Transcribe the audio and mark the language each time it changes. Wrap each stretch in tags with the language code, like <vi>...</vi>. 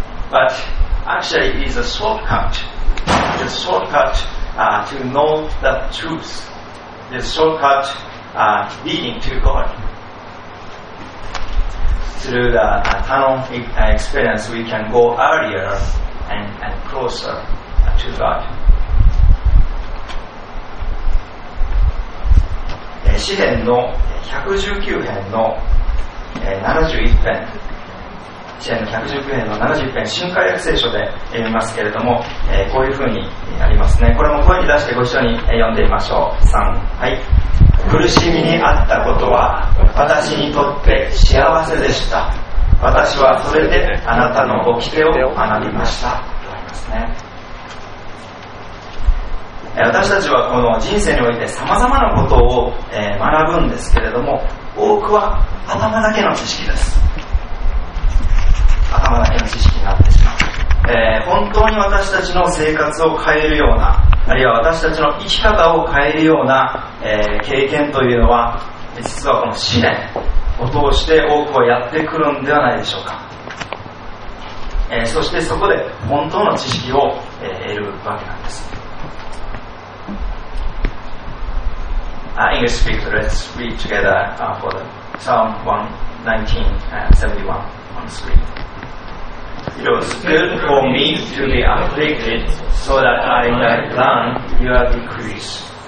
<en>But actually, it is a shortcut. It's a shortcut to know the truth. It's a shortcut leading to God. through the tunnel experience, we can go earlier and closer to God.</en> <ja>詩編の119編の71編、詩編の119編の71編、新改訳聖書で読みますけれども、こういうふうになりますね。これも声に出してご一緒に読んでみましょう。3、はい。苦しみにあったことは私にとって幸せでした。私はそれであなたの掟を学びました、とありますね。私たちはこの人生においてさまざまなことを学ぶんですけれども、多くは頭だけの知識です。頭だけの知識になってしまう、本当に私たちの生活を変えるような、あるいは私たちの生き方を変えるような、経験というのは、実はこの試練を通して多くはやってくるんではないでしょうか。そしてそこで本当の知識を、得るわけなんです。</ja> <en>English speaker, let's read together for the Psalm 119 on the screen. It was good for me to be afflicted, so that I might learn your decrees.</en>